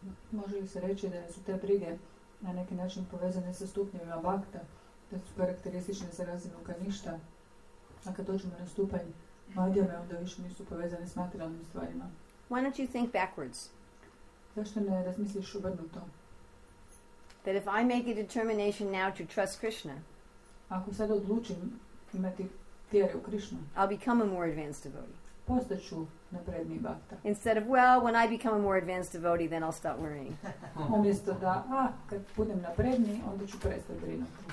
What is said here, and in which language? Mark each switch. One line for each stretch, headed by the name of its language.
Croatian: Može li se reći da su te brige na neki način povezane sa stupnjevima bhakta? Da su karakteristične za razinu kaništa, a kad dođemo na stupanj madjave, onda više nisu povezane s materialnim stvarima.
English: Why don't you think backwards?
Croatian: Zašto ne razmisliš obrnuto?
English: That if I make a determination now to trust Krishna,
Croatian: ako sad odlučim imati vjeru u Krishnu,
English: I'll become a more advanced devotee.
Croatian: Postaću napredniji bhakta.
English: Instead of, well, when I become a more advanced devotee, then I'll stop worrying.
Croatian: Umjesto da, kad budem napredniji, onda ću prestati brinuti.